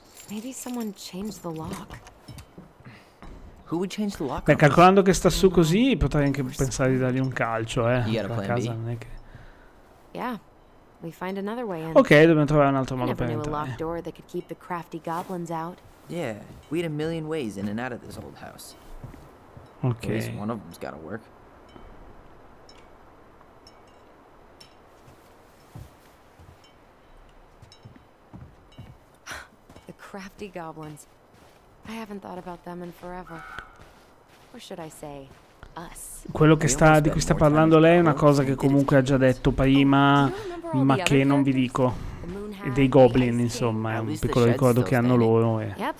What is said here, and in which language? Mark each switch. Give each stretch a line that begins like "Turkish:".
English: Maybe someone changed the lock. Who would change the lock?
Italian: Beh, calcolando che sta su così, potrei anche pensare di dargli un calcio, a casa, non è che.
English: Yeah. We find another way in.
Italian: Ok, dobbiamo trovare un altro modo per entrare.
English: A locked door that could keep the crafty goblins out. Yeah, we had a million ways in and out of this old house. Ok. At least one of them's gotta work. Crafty goblins. I haven't thought about them in forever. Or should I say,
Italian: Quello che sta, di cui sta parlando lei è una cosa che comunque ha già detto prima, ma che non vi dico. Dei goblin, insomma, è un piccolo ricordo che hanno loro. E...